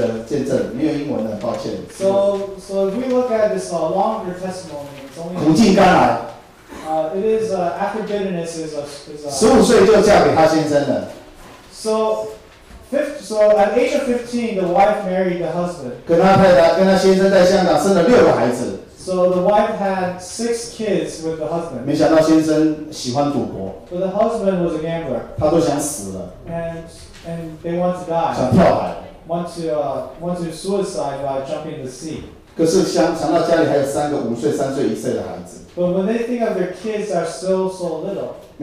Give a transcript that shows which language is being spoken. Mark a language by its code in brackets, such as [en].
[zh] 来，再看一个比较长一点的，这是广东人的见证，没有英文的，抱歉。 [en] So so if we look at this longer testimony, it's only [zh] 苦尽甘来。 [en] It is after bitterness is a [zh] 15岁就嫁给他先生了。 [en] So, at age of 15, the wife married the husband. [zh] 跟他太太跟他先生在香港生了6个孩子。 [en] So the wife had 6 kids with the husband. [zh] 没想到先生喜欢赌博。 [en] But the husband was a gambler. [zh] 他都想死了。 [en] And they want to die. [zh] 想跳海。 [en] Want to suicide by jumping the sea. [zh] 可是想到家里还有3个5岁、3岁、1岁的孩子。 [en] But when they think of their kids are still so little.